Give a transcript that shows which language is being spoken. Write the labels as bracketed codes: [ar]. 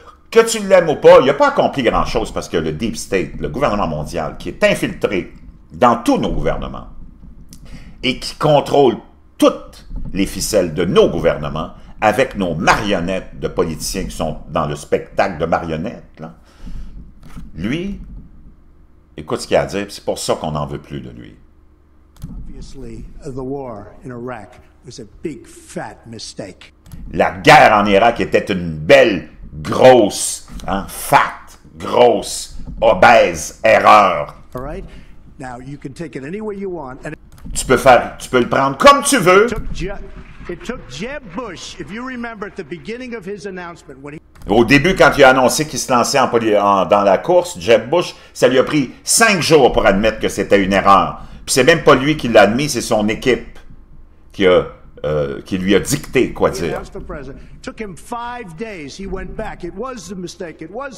[fr] Que tu l'aimes ou pas, il n'a pas accompli grand-chose parce que le Deep State, le gouvernement mondial, qui est infiltré dans tous nos gouvernements et qui contrôle toutes les ficelles de nos gouvernements avec nos marionnettes de politiciens qui sont dans le spectacle de marionnettes, là. Lui, écoute ce qu'il a à dire, c'est pour ça qu'on n'en veut plus de lui. [en] Obviously, the war in Iraq was a big fat mistake. [fr] La guerre en Irak était une belle, grosse, [en] fat, [fr] grosse, obèse erreur. [en] All right. Now you can take it any way you want. [fr] Tu peux le prendre comme tu veux. [en] It took Jeb Bush, if you remember, at the beginning of his announcement when he. [fr] Au début, quand il a annoncé qu'il se lançait dans la course, Jeb Bush, ça lui a pris 5 jours pour admettre que c'était une erreur. Puis c'est même pas lui qui l'a admis, c'est son équipe qui lui a dicté quoi dire. Il a pris 5 jours, il est revenu, c'était une erreur.